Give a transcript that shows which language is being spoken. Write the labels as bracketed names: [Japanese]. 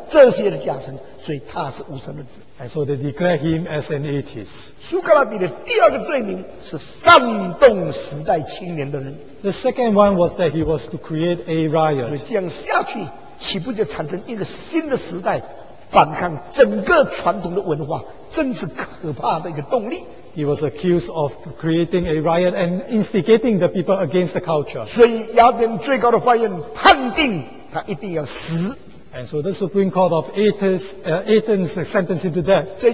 [Chinese] 所以他们还是把他当作是假借独一真神的美名来污蔑已经存在被敬拜的这些的假神，所以他是无神论者。 [English] And so they declare him as an atheist. [Chinese] 苏格拉底的第二个罪名是煽动时代青年的人。 [English] The second one was that he was to create a riot. [Chinese] 所以这样下去，岂不就产生一个新的时代？反抗整个传统的文化，真是可怕的一个动力。 [English] He was accused of creating a riot and instigating the people against the culture. [Chinese] 所以雅典最高的法院判定他一定要死。 [English] And so the Supreme Court of Athens, sentenced him to death.